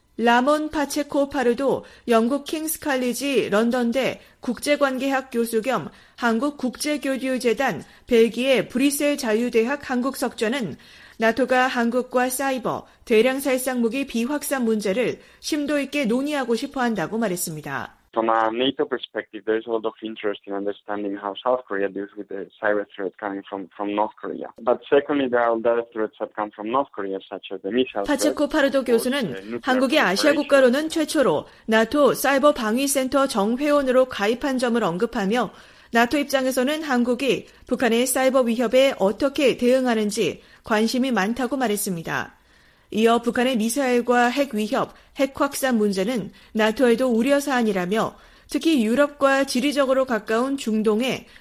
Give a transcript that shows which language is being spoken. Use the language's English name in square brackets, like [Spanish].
[Korean] 라몬 파체코 파르도 영국 킹스 칼리지 런던대 국제관계학 교수 겸 한국 국제교류재단 벨기에 브뤼셀 자유대학 한국 석좌는 나토가 한국과 사이버, 대량 살상 무기 비확산 문제를 심도 있게 논의하고 싶어 한다고 말했습니다. [English] From a NATO perspective, there's a lot of interest in understanding how South Korea deals with the cyber threat coming from North Korea. But secondly, there are other threats that come from North Korea, such as the missile. [Korean] 파체코 파르도 교수는 한국이 아시아 국가로는 최초로 나토 사이버 방위 센터 정회원으로 가입한 점을 언급하며 나토 입장에서는 한국이 북한의 사이버 위협에 어떻게 대응하는지 관심이 많다고 말했습니다. 이어 북한의 미사일과 핵 위협, 핵 확산 문제는 나토에도 우려 사안이라며 특히 유럽과 지리적으로 가까운 중동에